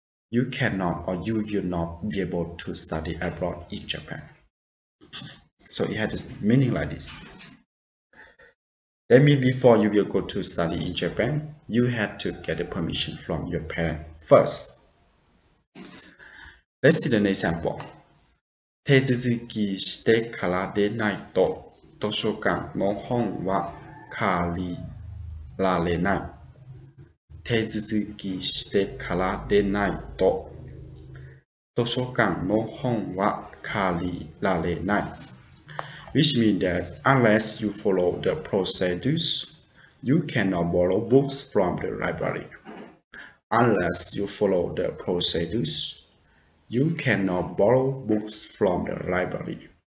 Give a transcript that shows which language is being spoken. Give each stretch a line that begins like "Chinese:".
English: You cannot or you will not be able to study abroad in Japan. So it has meaning like this. That means before you will go to study in Japan, you had to get the permission from your parents first. Let's see the next example.
Japanese: 手続きしてからでないと図書館の本は借りられない。手続きしてからでないと図書館の本は借りられない。
English: Which means that unless you follow the procedures, you cannot borrow books from the library. Unless you follow the procedures, you cannot borrow books from the library.